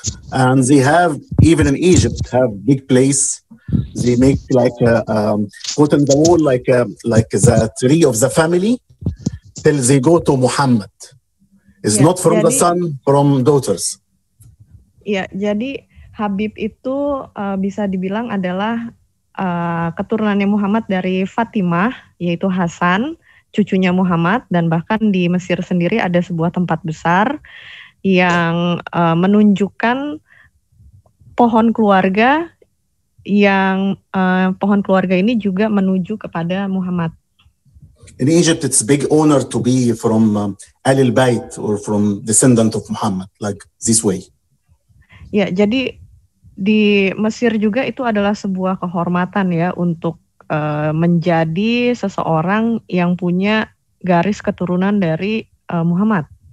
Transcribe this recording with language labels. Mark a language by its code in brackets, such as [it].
[en] And they have, even in Egypt, have big place. They make like a put on the wall like the tree of the family till they go to Muhammad. It's not from the son, from daughters. [id] Ya, jadi Habib itu bisa dibilang adalah keturunannya Muhammad dari Fatimah, yaitu Hasan, cucunya Muhammad, dan bahkan di Mesir sendiri ada sebuah tempat besar yang menunjukkan pohon keluarga ini juga menuju kepada Muhammad. [en] In Egypt, it's big honor to be from Ahlul Bait or from descendant of Muhammad, like this way. [id] Ya, jadi di Mesir juga itu adalah sebuah kehormatan ya untuk menjadi seseorang yang punya garis keturunan dari Muhammad.